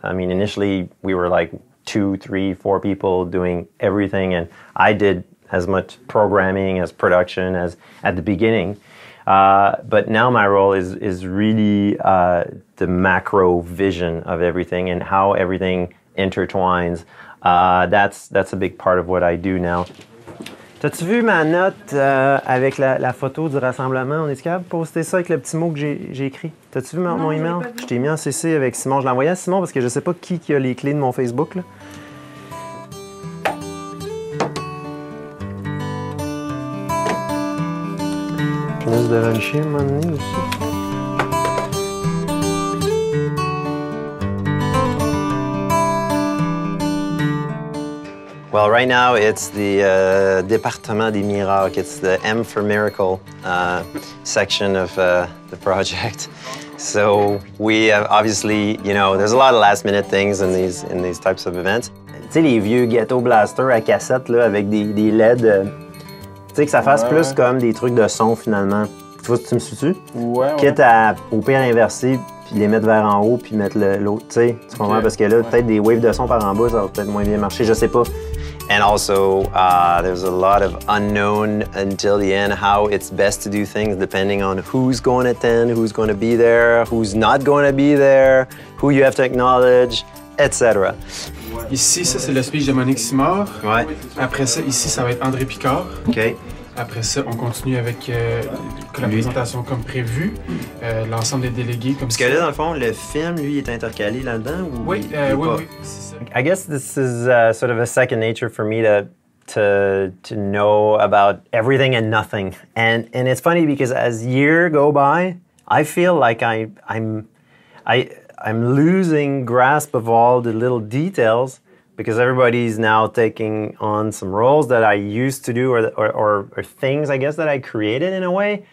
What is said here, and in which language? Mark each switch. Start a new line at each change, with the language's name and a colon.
English: I mean, initially we were like 2, 3, 4 people doing everything, and I did as much programming as production as at the beginning. But now my role is really the macro vision of everything and how everything intertwines. That's a big part of what I do now.
French: T'as-tu vu ma note avec la photo du rassemblement? On est capable de poster ça avec le petit mot que j'ai écrit? T'as-tu vu mon email? Je t'ai mis en CC avec Simon. Je l'ai envoyé à Simon parce que je sais pas qui a les clés de mon Facebook, là. Je laisse de luncher, un moment donné, aussi.
English: Well, right now it's the Département des Miracles. It's the M for Miracle section of the project. So we have obviously, you know, there's a lot of last minute things in these types of events.
French: Tu sais, les vieux ghetto blasters à cassette là, avec des LED, tu sais, que ça fasse plus comme des trucs de son finalement. Tu vois, tu me suis-tu? Ouais. Quitte à, au pire, inverser, puis les mettre vers en haut, puis mettre l'autre, tu sais, tu comprends? Okay. Parce que là, peut-être des waves de son par en bas, ça va peut-être moins bien marcher, je sais pas.
English: And also, there's a lot of unknown until the end, how it's best to do things, depending on who's going to attend, who's going to be there, who's not going to be there, who you have to acknowledge, etc.
French: Ici, ça, c'est le speech de Monique Simard. Ouais. Après ça, ici, ça va être André Picard. Okay. Après ça, on continue avec la présentation comme prévu, l'ensemble des délégués comme ça. Parce que là, dans le fond, le film, lui, est intercalé là-dedans ou... Oui, c'est ça.
English: I guess this is sort of a second nature for me to know about everything and nothing. And it's funny because as year go by, I feel like I'm losing grasp of all the little details because everybody's now taking on some roles that I used to do or things, I guess, that I created in a way.